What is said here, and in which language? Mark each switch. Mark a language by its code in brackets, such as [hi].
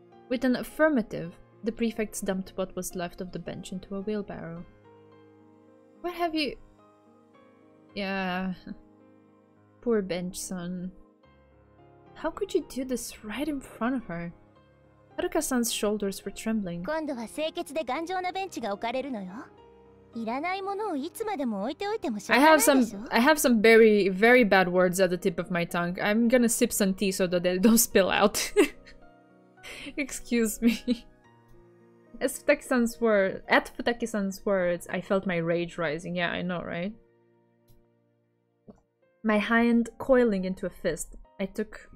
[en] With an affirmative, the prefects dumped what was left of the bench into a wheelbarrow. What have you... Yeah... Poor bench, son. How could you do this right in front of her? Haruka-san's shoulders were trembling. [ja] 今度は清潔で頑丈なベンチが置かれるのよ。いらないものをいつまでも置いておいてもしょうがないでしょ。 [en] I have some very, very bad words at the tip of my tongue. I'm gonna sip some tea so that they don't spill out. Excuse me. At Futaki-san's words, I felt my rage rising. Yeah, I know, right? My hand coiling into a fist, I took...